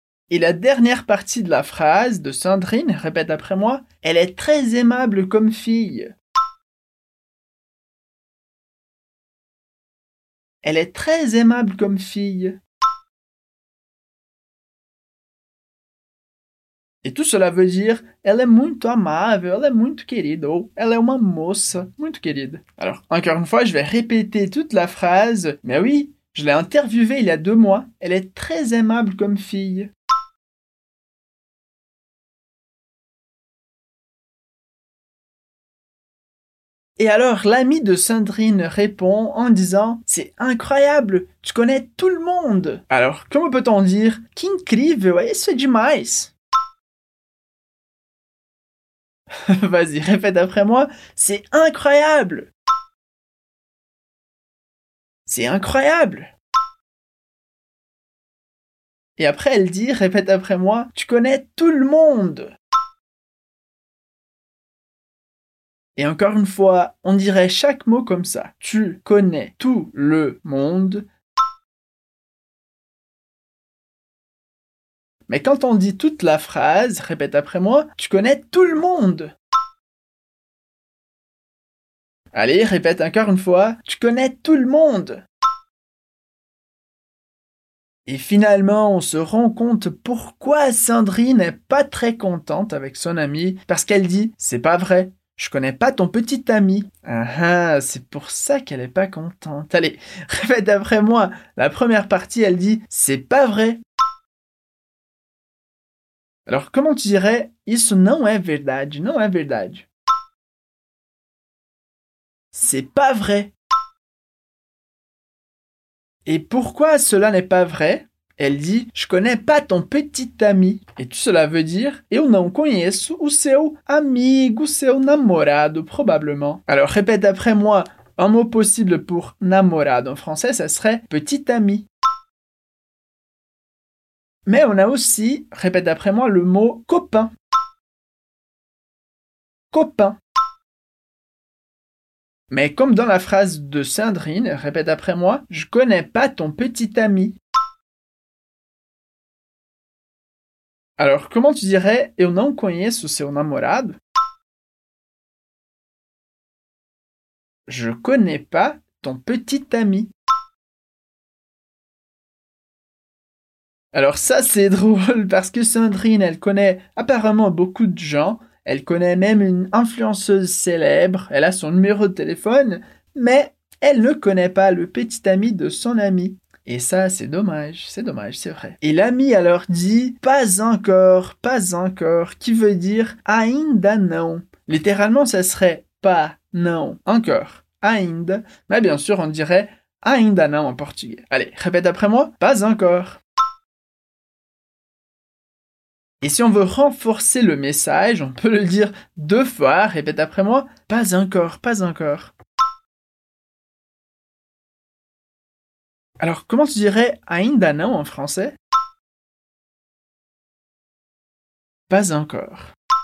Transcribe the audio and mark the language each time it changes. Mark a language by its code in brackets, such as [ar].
[fr] Et la dernière partie de la phrase de Sandrine, répète après moi, « Elle est très aimable comme fille. » Elle est très aimable comme fille. Et tout cela veut dire « Elle est [pt] muito amável, [fr] elle est [pt] muito querida [fr] » ou « Elle est [pt] uma moça muito querida ». [fr] Alors, encore une fois, je vais répéter toute la phrase. Mais oui, je l'ai interviewée il y a 2 mois. Elle est très aimable comme fille. Et alors, l'ami de Sandrine répond en disant « C'est incroyable, tu connais tout le monde !» Alors, comment peut-on dire « [pt] Que incrível, isso é demais !» [fr] Vas-y, répète après moi « C'est incroyable !» C'est incroyable. Et après, elle dit, répète après moi « Tu connais tout le monde !» Et encore une fois, on dirait chaque mot comme ça. Tu connais tout le monde. Mais quand on dit toute la phrase, répète après moi, tu connais tout le monde. Allez, répète encore une fois, tu connais tout le monde. Et finalement, on se rend compte pourquoi Sandrine n'est pas très contente avec son amie, parce qu'elle dit « c'est pas vrai ». Je connais pas ton petit ami. Ah ah, c'est pour ça qu'elle est pas contente. Allez, répète après moi. La première partie, elle dit « c'est pas vrai ». Alors, comment tu dirais [pt] « isso não é verdade, não é verdade ». [fr] C'est pas vrai. Et pourquoi cela n'est pas vrai? Elle dit « je connais pas ton petit ami ». Et tout cela veut dire [pt] « eu não conheço o seu amigo, seu namorado », [fr] probablement. Alors répète après moi, un mot possible pour « namorado » en français, ça serait « petit ami ». Mais on a aussi, répète après moi, le mot « copain ». Copain. Mais comme dans la phrase de Sandrine, répète après moi, je connais pas ton petit ami. Alors, comment tu dirais [pt] « Eu não conheço seu namorado » ? [fr] Je connais pas ton petit ami. Alors ça, c'est drôle parce que Sandrine, elle connaît apparemment beaucoup de gens. Elle connaît même une influenceuse célèbre. Elle a son numéro de téléphone, mais elle ne connaît pas le petit ami de son ami. Et ça, c'est dommage, c'est vrai. Et l'ami alors dit « pas encore », qui veut dire « [pt] ainda não ». [fr] Littéralement, ça serait « pas, non, encore, ainda ». Mais bien sûr, on dirait « [pt] ainda não [fr] » en portugais. Allez, répète après moi « pas encore ». Et si on veut renforcer le message, on peut le dire deux fois, répète après moi « pas encore, pas encore ». Alors, comment tu dirais « [pt] ainda não [fr] » en français ? Pas encore.